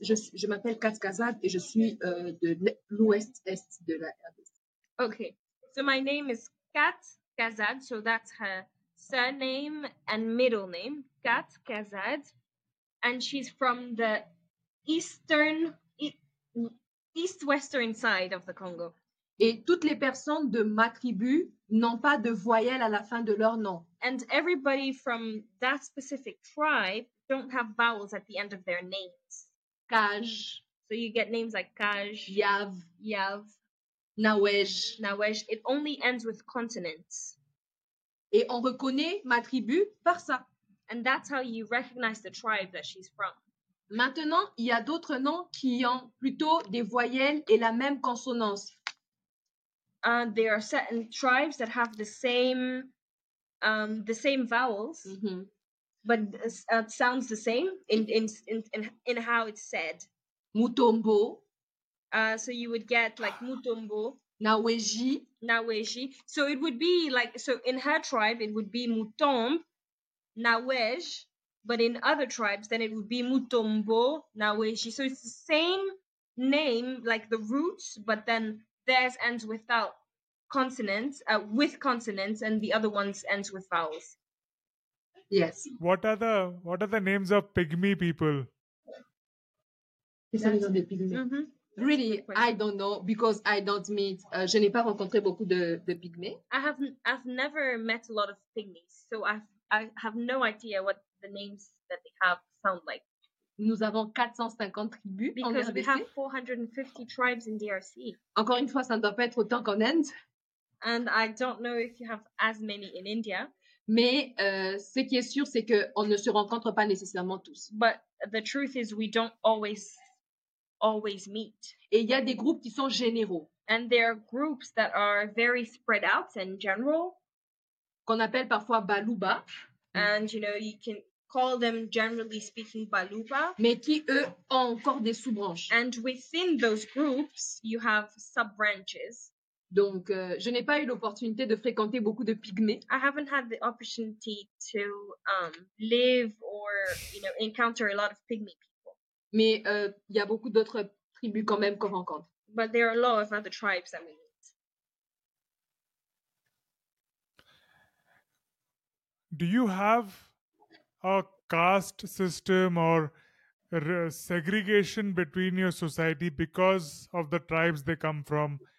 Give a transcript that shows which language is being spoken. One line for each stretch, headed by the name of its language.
French: Je m'appelle Kat Kazans et je suis de l'Ouest-Est de la RDC.
English: Okay. So my name is Kat Kazans. So that's her surname and middle name, Kat Kazad, and she's from the east-western side of the Congo.
French: Et toutes les personnes de ma tribu n'ont pas de voyelle à la fin de leur nom.
English: And everybody from that specific tribe don't have vowels at the end of their names. Kaj. So you get names like Kaj. Yav. Nawej. It only ends with consonants.
French: Et on reconnaît ma tribu par ça.
English: And that's how you recognize the tribe that she's from.
French: Maintenant, il y a d'autres noms qui ont plutôt des voyelles et la même consonance.
English: And there are certain tribes that have the same vowels, mm-hmm. but it sounds the same in how it's said. Mutombo. So you would get like Mutombo. Naweji. Naweji. So it would be like, so in her tribe, it would be Mutombo, Nawej, but in other tribes, then it would be Mutombo, Naweji. So it's the same name, like the roots, but then theirs ends without consonants, with consonants, and the other ones ends with vowels. Yes. What are the names of pygmy people? Really, I don't know because I don't meet.
French: Je n'ai pas rencontré beaucoup de pygmées.
English: I've never met a lot of pygmies, so I have no idea what the names that they have sound like.
French: Nous avons 450 tribus en
English: RDC. Because we have 450 tribes in DRC.
French: Encore une fois, ça ne doit pas être autant qu'en Inde.
English: And I don't know if you have as many in India.
French: Mais ce qui est sûr, c'est que on ne se rencontre pas nécessairement tous.
English: But the truth is, we don't always meet.
French: Et il y a des groupes qui sont généraux.
English: And there are groups that are very spread out and general.
French: Qu'on appelle parfois Baluba.
English: And you know, you can call them generally speaking Baluba.
French: Mais qui eux ont encore des sous-branches.
English: And within those groups, you have sub-branches.
French: Donc, je n'ai pas eu l'opportunité de fréquenter beaucoup de pygmées.
English: I haven't had the opportunity to live or, you know, encounter a lot of pygmy people.
French: Mais il y a beaucoup d'autres tribus quand même qu'on rencontre.
English: But there are a lot of other tribes that we meet. Do you have a caste system or segregation between your society because of the tribes they come from?